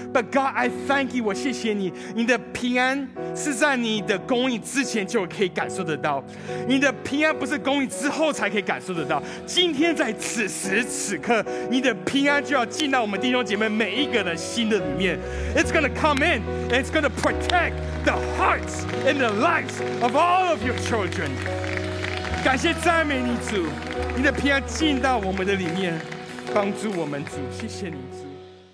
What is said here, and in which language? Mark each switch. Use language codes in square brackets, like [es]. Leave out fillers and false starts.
[en] But God I thank you， [zh] 我谢谢你，你的平安是在你的供应之前就可以感受得到，你的平安不是供应之后才可以感受得到，今天在此时此刻你的平安就要进到我们弟兄姐妹每一个的心的里面。 [en] It's gonna come in and it's gonna protect the hearts and the lives of all of your children。 [zh] 感谢赞美你主，你的平安进到我们的里面，帮助我们主，谢谢你主。